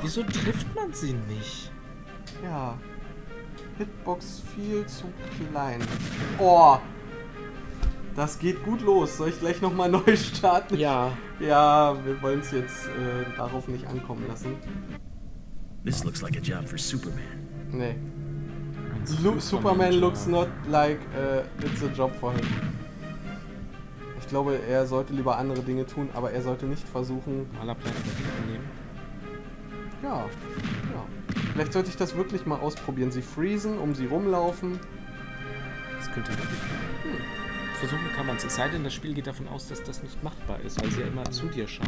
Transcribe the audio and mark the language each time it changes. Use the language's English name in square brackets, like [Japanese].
[German] Wieso trifft man sie nicht? Ja. Hitbox viel zu klein. Boah. Das geht gut los. Soll ich gleich nochmal neu starten? Ja. Ja, wir wollen es jetzt darauf nicht ankommen lassen. [English] This looks like a job for Superman. [German] Nee. [English] Superman looks not like it's a job for him. [German] Ich glaube, er sollte lieber andere Dinge tun, aber er sollte nicht versuchen... Malerplant nehmen. Ja, ja. Vielleicht sollte ich das wirklich mal ausprobieren. Sie freezen, um sie rumlaufen. Das könnte wirklich... Versuchen kann man es. Es sei denn, das Spiel geht davon aus, dass das nicht machbar ist, weil sie ja immer zu dir schaut.